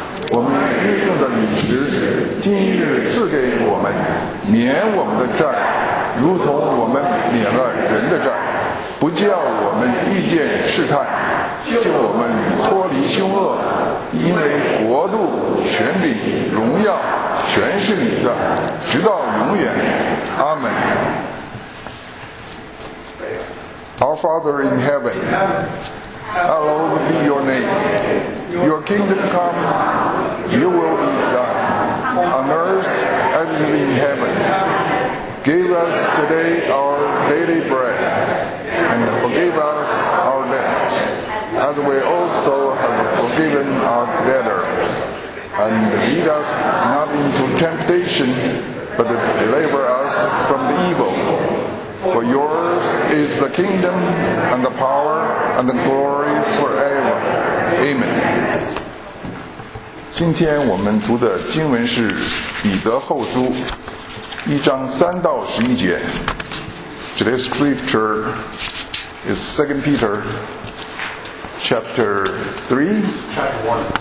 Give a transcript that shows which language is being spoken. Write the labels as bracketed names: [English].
[Chinese] 我们日用的饮食，今日赐给我们，免我们的债，如同我们免了人的债，不叫我们遇见试探，救我们脱离凶恶，因为国度、权柄、荣耀，全是你的，直到永远。阿门。 [English] Our Father in heaven, hallowed be your name. Your kingdom come, your will be done, on earth as it is in heaven. Give us today our daily bread, and forgive us our debts. As we also have forgiven our debtors. And lead us not into temptation, but deliver us from the evil. For yours is the kingdom and the power and the glory forever. Amen. [Chinese] 今天我们读的经文是彼得后书一章三到十一节。 [English] Today's scripture is 2 Peter chapter 3. Chapter 1.